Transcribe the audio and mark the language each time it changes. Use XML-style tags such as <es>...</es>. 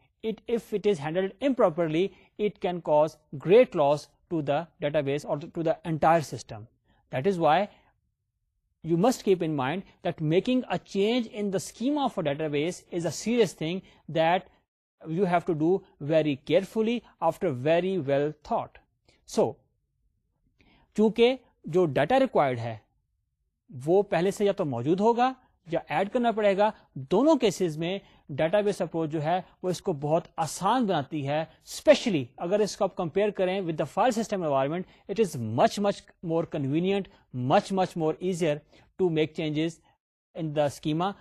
<en>If it is handled improperly, it can cause great loss to the database or to the entire system. That is why you must keep in mind that making a change in the schema of a database is a serious thing that you have to do very carefully after very well thought.</en> <ur>So, چونکہ جو data required ہے وہ پہلے سے یا تو موجود ہوگا یا ایڈ کرنا پڑے گا, دونوں کیسز میں ڈیٹا بیس اپروچ جو ہے وہ اس کو بہت آسان بناتی ہے.</ur> <en>especially</en> <ur>اگر اس کو آپ کمپیئر کریں</ur> <en>With the file system environment, it is much much more convenient, much much more easier to make changes in the schema.</en>